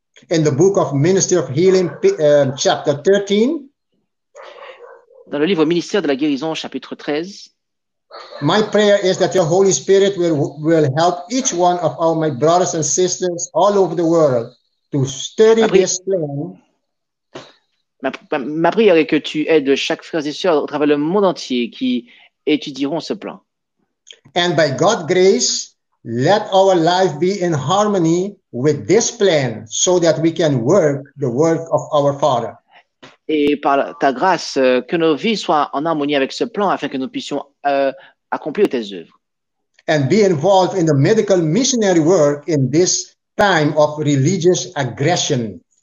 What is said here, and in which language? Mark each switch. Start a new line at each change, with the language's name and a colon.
English: In the book of Ministry of Healing, chapter 13.
French: Dans le livre Ministère de la guérison, chapitre 13.
English: My prayer is that your Holy Spirit will help each one of all my brothers and sisters all over the world to study this plan.
French: Ma prière est que tu aides chaque frère et sœur au travers le monde entier qui étudieront ce plan.
English: And by God's grace, let our life be in harmony with this plan so that we can work the work of our Father.
French: Et par ta grâce, que nos vies soient en harmonie avec ce plan afin que nous puissions accomplir tes œuvres.
English: And be involved in the medical missionary work in this time of religious aggression.